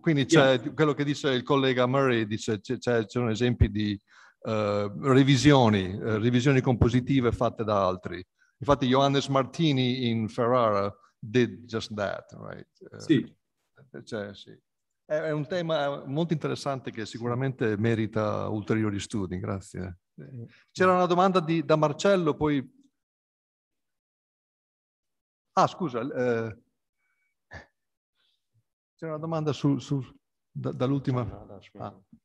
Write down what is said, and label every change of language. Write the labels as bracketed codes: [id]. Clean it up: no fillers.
[it] Quindi c'è quello che dice il collega Murray, dice c'è un esempio di revisioni compositive fatte da altri. [en] Infatti Johannes Martini in Ferrara did just that, right? [it] Sì. Cioè, sì. È un tema molto interessante che sicuramente merita ulteriori studi, grazie. C'era una domanda da Marcello, poi... Ah, scusa. C'era una domanda dall'ultima...